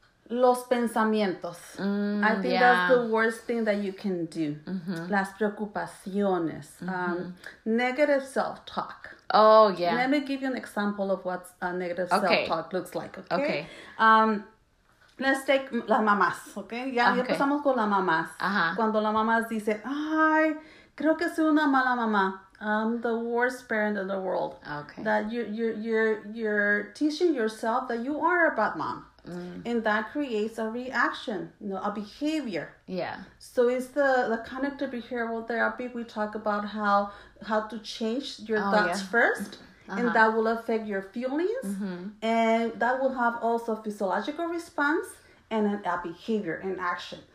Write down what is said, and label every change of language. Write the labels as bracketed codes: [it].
[es] Los pensamientos. [en] I think that's the worst thing that you can do. [es] Mm-hmm. Las preocupaciones. Mm-hmm. [en] Negative self-talk. Oh, yeah. Let me give you an example of what a negative self-talk looks like, okay? Let's take [es] las mamás, okay? Ya empezamos con las mamás. Uh-huh. Cuando la mamá dice, ay, creo que soy una mala mamá. [en] I'm the worst parent in the world. Okay. That you're teaching yourself that you are a bad mom. Mm. And that creates a reaction, you know, a behavior. Yeah. So it's the cognitive behavioral therapy. We talk about how to change your thoughts first, and that will affect your feelings, and that will have also a physiological response and a behavior and action.